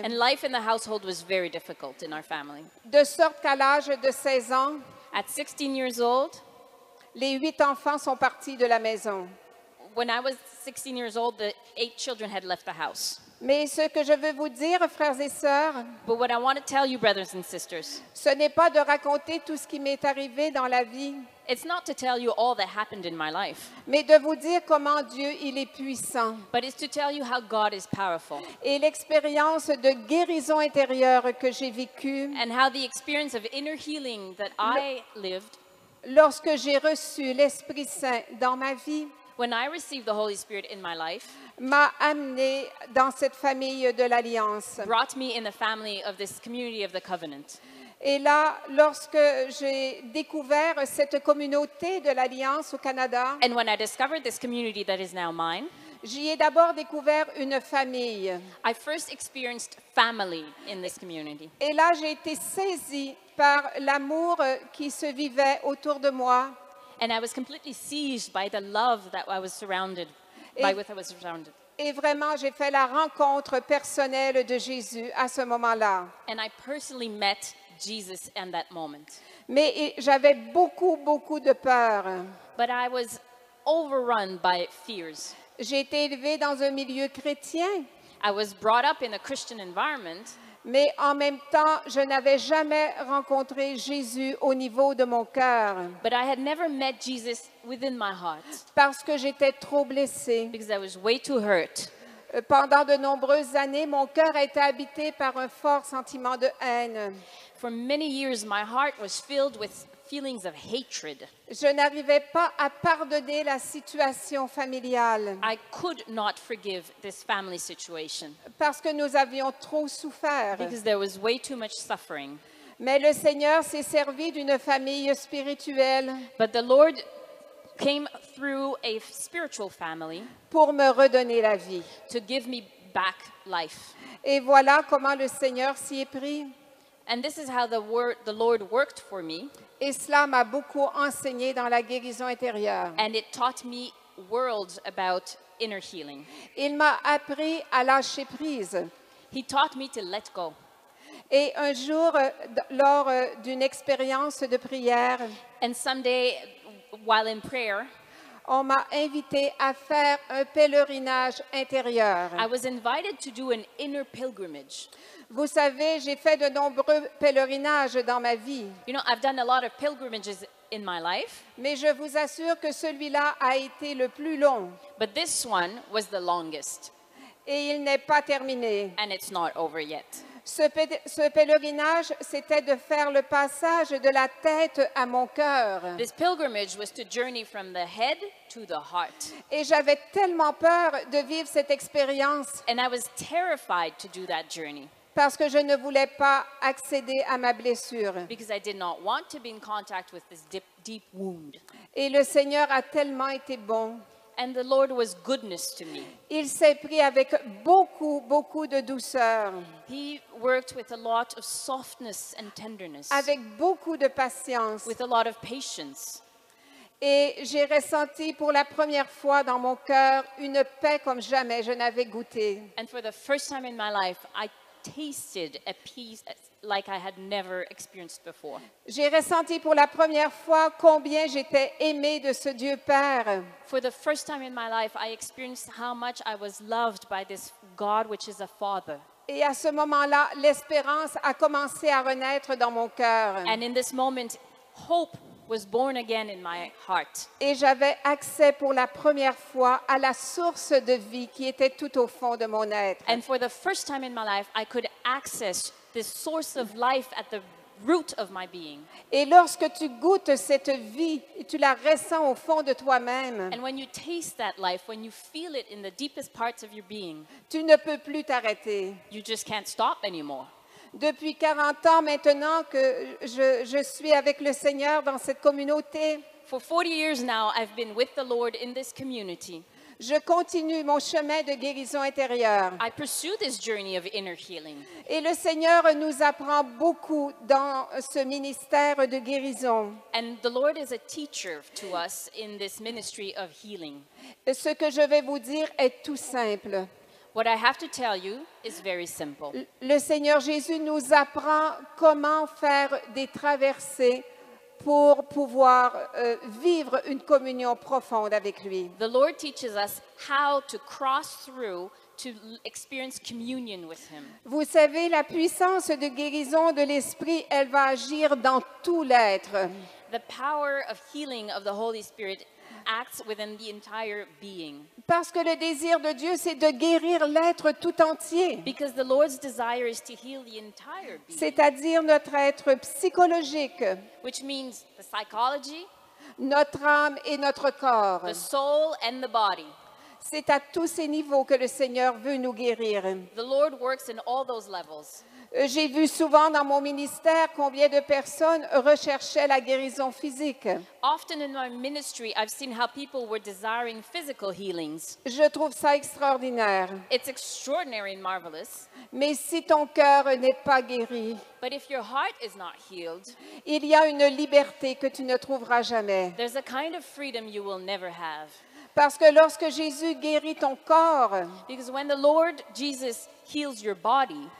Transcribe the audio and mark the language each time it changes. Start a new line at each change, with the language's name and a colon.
English: And life in the household was very difficult in our family.
French: De sorte qu'à l'âge de 16 ans,
English: at 16 years old,
French: les 8 enfants sont partis de la maison.
English: When I was 16 years old, the 8 children had left the house.
French: Mais ce que je veux vous dire, frères et sœurs,
English: but what I want to tell you, brothers and sisters,
French: ce n'est pas de raconter tout ce qui m'est arrivé dans la vie.
English: It's not to tell you all that happened in my life.
French: Mais de vous dire comment Dieu, il est puissant.
English: But it's to tell you how God is powerful.
French: Et l'expérience de guérison intérieure que j'ai vécue.
English: And how the experience of inner healing that I lived.
French: Lorsque j'ai reçu l'Esprit Saint dans ma vie.
English: When I received the Holy Spirit in my life,
French: m'a amené dans cette famille de l'Alliance.
English: Brought me in the family of this community of the covenant.
French: Et là, lorsque j'ai découvert cette communauté de l'Alliance au Canada,
English: and when I discovered this community that is now mine,
French: j'y ai d'abord découvert une famille.
English: I first experienced family in this community.
French: Et là, j'ai été saisie par l'amour qui se vivait autour de moi.
English: And I was completely seized by the love that I was surrounded by, with I was surrounded.
French: Et vraiment, j'ai fait la rencontre personnelle de Jésus à ce moment-là.
English: And I personally met Jesus in that moment.
French: Mais j'avais beaucoup, beaucoup de peur.
English: But I was overrun by fears.
French: J'ai été élevée dans un milieu chrétien.
English: I was brought up in a Christian environment.
French: mais en même temps, je n'avais jamais rencontré Jésus au niveau de mon cœur.
English: But I had never met Jesus within my heart.
French: Parce que j'étais trop blessée.
English: Because I was way too hurt.
French: Pendant de nombreuses années, mon cœur a été habité par un fort sentiment de haine.
English: For many years, my heart was filled with feelings of hatred.
French: Je n'arrivais pas à pardonner la situation familiale.
English: I could not forgive this family situation.
French: Parce que nous avions trop souffert.
English: Because there was way too much suffering.
French: Mais le Seigneur s'est servi d'une famille spirituelle.
English: But the Lord came through a spiritual family
French: pour me redonner la vie.
English: To give me back life.
French: Et voilà comment le Seigneur s'y est pris.
English: And this is how the Lord worked for me.
French: Et cela m'a beaucoup enseigné dans la guérison intérieure.
English: And it taught me worlds about inner healing.
French: Il m'a appris à lâcher prise.
English: He taught me to let go.
French: Et un jour, lors d'une expérience de prière,
English: and someday, while in prayer,
French: on m'a invité à faire un pèlerinage intérieur.
English: I was invited to do an inner pilgrimage.
French: Vous savez, j'ai fait de nombreux pèlerinages dans ma vie.
English: You know, I've done a lot of pilgrimages in my life.
French: Mais je vous assure que celui-là a été le plus long.
English: But this one was the longest.
French: Et il n'est pas terminé.
English: And it's not over yet.
French: Ce pèlerinage, c'était de faire le passage de la tête à mon cœur.
English: This pilgrimage was to journey from the head to the heart.
French: Et j'avais tellement peur de vivre cette expérience.
English: And I was terrified to do that journey.
French: Parce que je ne voulais pas accéder à ma blessure.
English: Because I did not want to be in contact with this deep wound.
French: Et le Seigneur a tellement été bon.
English: And the Lord was goodness to me.
French: Il s'est pris avec beaucoup, beaucoup de douceur.
English: He worked with a lot of softness and tenderness.
French: Avec beaucoup de patience.
English: With a lot of patience.
French: Et j'ai ressenti pour la première fois dans mon cœur une paix comme jamais je n'avais goûté.
English: And for the first time in my life, I tasted a peace like I had never experienced before.
French: J'ai ressenti pour la première fois combien j'étais aimée de ce Dieu Père.
English: For the first time in my life, I experienced how much I was loved by this God which is a Father.
French: Et à ce moment-là, l'espérance a commencé à renaître dans mon cœur.
English: And in this moment, hope was born again in my heart.
French: Et j'avais accès pour la première fois à la source de vie qui était tout au fond de mon être.
English: And for the first time in my life, I could access the source of life at the root of my being.
French: Et lorsque tu goûtes cette vie, tu la ressens au fond de toi-même.
English: And when you taste that life, when you feel it in the deepest parts of your being,
French: tu ne peux plus t'arrêter.
English: You just can't stop anymore.
French: Depuis 40 ans maintenant que je suis avec le Seigneur dans cette communauté.
English: For 40 years now, I've been with the Lord in this community.
French: Je continue mon chemin de guérison intérieure.
English: I pursue this journey of inner healing.
French: Et le Seigneur nous apprend beaucoup dans ce ministère de guérison.
English: And the Lord is a teacher to us in this ministry of healing.
French: Et ce que je vais vous dire est tout simple.
English: What I have to tell you is very simple.
French: Le Seigneur Jésus nous apprend comment faire des traversées pour pouvoir vivre une communion profonde avec lui.
English: The Lord teaches us how to cross through to experience communion with him.
French: Vous savez, la puissance de guérison de l'esprit, elle va agir dans tout l'être.
English: The power of healing of the Holy Spirit acts within the entire being.
French: Parce que le désir de Dieu, c'est de guérir l'être tout entier.
English: Because the Lord's desire is to heal the entire being.
French: C'est-à-dire notre être psychologique.
English: Which means the psychology.
French: Notre âme et notre corps.
English: The soul and the body.
French: C'est à tous ces niveaux que le Seigneur veut nous guérir.
English: The Lord works in all those levels.
French: J'ai vu souvent dans mon ministère combien de personnes recherchaient la guérison physique.
English: Often in my ministry, I've seen how people were desiring physical healings.
French: Je trouve ça extraordinaire.
English: It's extraordinary and marvelous.
French: Mais si ton cœur n'est pas guéri,
English: but if your heart is not healed,
French: il y a une liberté que tu ne trouveras jamais.
English: There's a kind of freedom you will never have.
French: Parce que lorsque Jésus guérit ton corps,
English: because when the Lord Jesus heals your body,